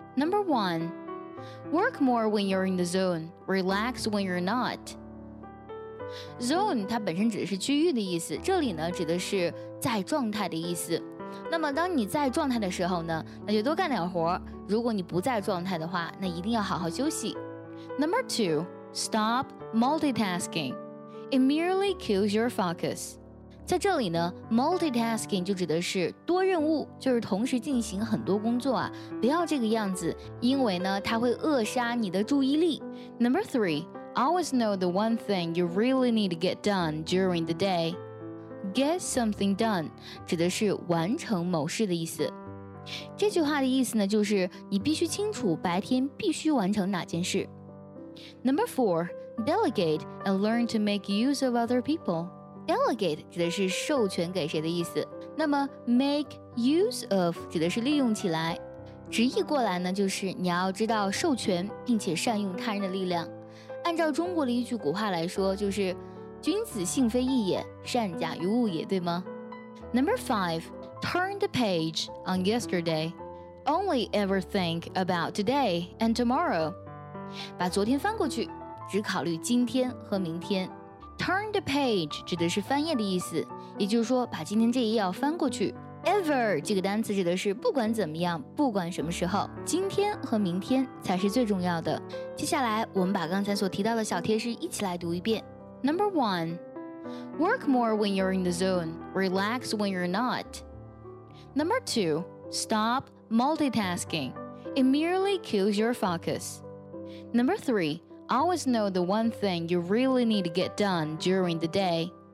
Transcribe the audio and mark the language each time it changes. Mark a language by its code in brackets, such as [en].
[en] Number one, work more when you're in the zone, relax when you're not. [zh] Zone 它本身指的是区域的意思，这里呢指的是在状态的意思。那么当你在状态的时候呢，那就多干点活，如果你不在状态的话，那一定要好好休息。 [en] Number two, stop multitasking. It merely kills your focus. [zh] 在这里呢， multitasking 就指的是多任务，就是同时进行很多工作啊，不要这个样子，因为呢它会扼杀你的注意力。 [en] Number threeAlways know the one thing you really need to get done during the day. Get something done [zh] 指的是完成某事的意思。这句话的意思呢，就是你必须清楚白天必须完成哪件事。 [en] Number four, delegate and learn to make use of other people. [zh] Delegate 指的是授权给谁的意思。那么 make use of 指的是利用起来。直译过来呢，就是你要知道授权并且善用他人的力量。按照中国的一句古话来说，就是君子性非异也，善假于物也，对吗？ [en] Number five, turn the page on yesterday. Only ever think about today and tomorrow. [zh] 把昨天翻过去，只考虑今天和明天。 Turn the page 指的是翻页的意思，也就是说把今天这一页要翻过去。 Ever 这个单词指的是不管怎么样，不管什么时候，今天和明天才是最重要的。接下来我们把刚才所提到的小贴士一起来读一遍。 [en] Number one, work more when you're in the zone, relax when you're not. Number two, stop multitasking, it merely kills your focus. Number three, always know the one thing you really need to get done during the day.